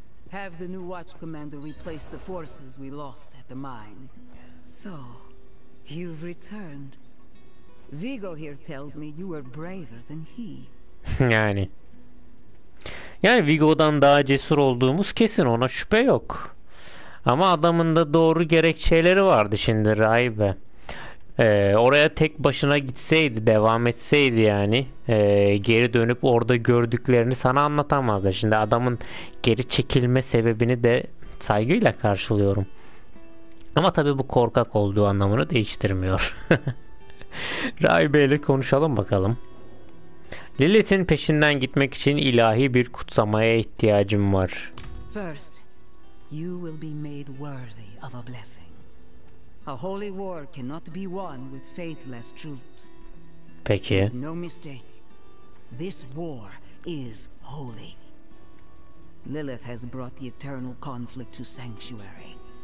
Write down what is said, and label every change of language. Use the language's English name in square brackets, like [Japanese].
[English] Have the new watch commander replace the forces we lost at the mine. So, you've returned. Vigo here tells me you were braver than he. [Turkish] Yani Vigo'dan daha cesur olduğumuz kesin, ona şüphe yok. Ama adamın da doğru gerekçeleri vardı şimdi Raibe. Oraya tek başına gitseydi, devam etseydi yani, geri dönüp orada gördüklerini sana anlatamazdı. Şimdi adamın geri çekilme sebebini de saygıyla karşılıyorum. Ama tabii bu korkak olduğu anlamını değiştirmiyor. Raibe ile konuşalım bakalım. Lilith'in peşinden gitmek için ilahi bir kutsamaya ihtiyacım var. [English] First, you will be made worthy of a blessing. A holy war cannot be won with faithless troops. [Turkish] Peki. [English] No mistake. This war is holy. Lilith has brought the eternal conflict to Sanctuary.